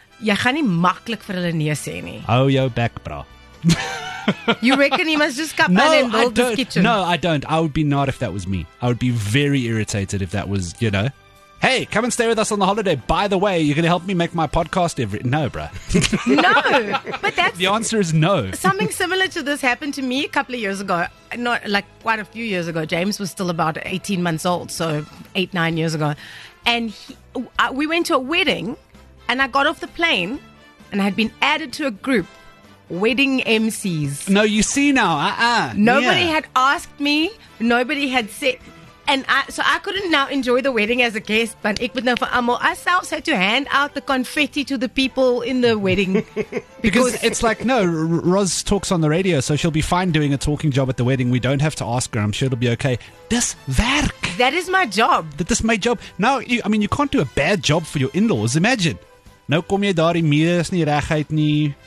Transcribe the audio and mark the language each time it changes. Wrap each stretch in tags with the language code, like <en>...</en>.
<af>Jy gaan nie maklik vir hulle nee sê nie. Hou jou bek, bra.</af> <en>You reckon he must just come in and build this kitchen? No, I don't. I would be not if that was me. I would be very irritated if that was, you know. Hey, come and stay with us on the holiday. By the way, you're going to help me make my podcast every... No, bra. No, but that's... The answer is no. Something similar to this happened to me a couple of years ago. Not like quite a few years ago. James was still about 18 months old, so 8-9 years ago. And we went to a wedding... And I got off the plane and I had been added to a group, wedding MCs. No, you see now, Nobody had asked me, nobody had said, and I couldn't now enjoy the wedding as a guest, but</en> <af>ek moet nou vir almal,</af> <en>ourselves had to hand out the confetti to the people in the wedding. Because it's like, no, Roz talks on the radio, so she'll be fine doing a talking job at the wedding. We don't have to ask her, I'm sure it'll be okay. This werk. That is my job. That is my job. Now, you can't do a bad job for your in-laws. Imagine.</en> <af>Nou kom jy daar, die muur is nie reguit nie.</af>